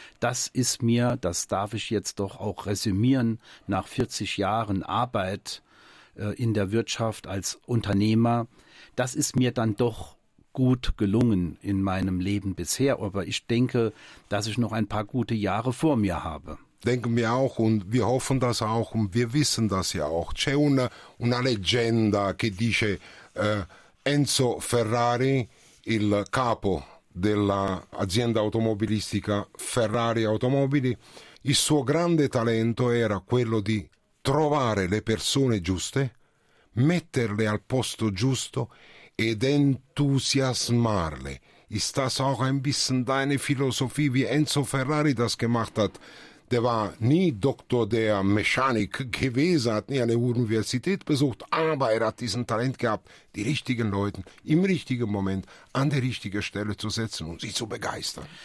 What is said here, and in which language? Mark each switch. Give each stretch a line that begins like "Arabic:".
German: Das ist mir, das darf ich jetzt doch auch resümieren, nach 40 Jahren Arbeit in der Wirtschaft als Unternehmer, das ist mir dann doch gut gelungen in meinem Leben bisher. Aber ich denke, dass ich noch ein paar gute Jahre vor mir habe. Denken wir auch und wir hoffen das auch und wir wissen das ja auch.
Italian: C'è una leggenda che dice Enzo Ferrari, il capo dell'azienda automobilistica Ferrari Automobili, il suo grande talento era quello di trovare le persone giuste, metterle al posto giusto ed entusiasmarle.
German: Ist das auch ein bisschen deine Philosophie, wie Enzo Ferrari das gemacht hat? Der war nie Doktor der Mechanik gewesen, hat nie eine Universität besucht, aber er hat diesen Talent gehabt, die richtigen Leute im richtigen Moment an der richtigen Stelle zu setzen und sie zu begeistern.